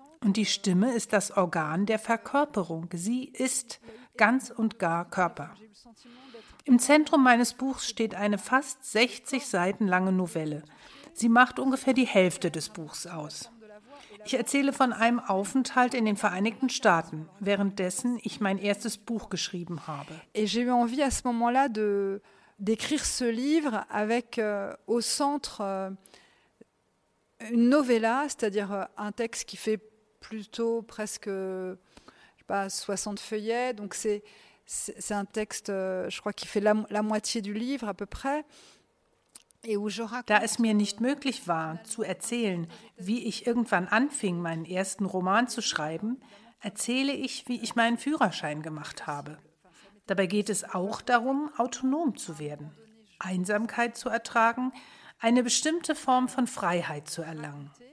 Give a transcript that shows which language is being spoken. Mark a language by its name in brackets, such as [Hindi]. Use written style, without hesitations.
[German] Und die Stimme ist das Organ der Verkörperung. Sie ist ganz und gar Körper. Im Zentrum meines Buchs steht eine fast 60 Seiten lange Novelle. Sie macht ungefähr die Hälfte des Buchs aus. Ich erzähle von einem Aufenthalt in den Vereinigten Staaten, währenddessen ich mein erstes Buch geschrieben habe. [French] Et j'ai eu envie à ce moment-là d'écrire ce livre avec au centre une novella, c'est-à-dire un texte qui fait plutôt presque je sais pas 60 feuillets, donc c'est un texte, je crois, qui fait la moitié du livre à peu près. [German] Da es mir nicht möglich war, zu erzählen, wie ich irgendwann anfing, meinen ersten Roman zu schreiben, erzähle ich, wie ich meinen Führerschein gemacht habe. Dabei geht es auch darum, autonom zu werden, Einsamkeit zu ertragen, eine bestimmte Form von Freiheit zu erlangen.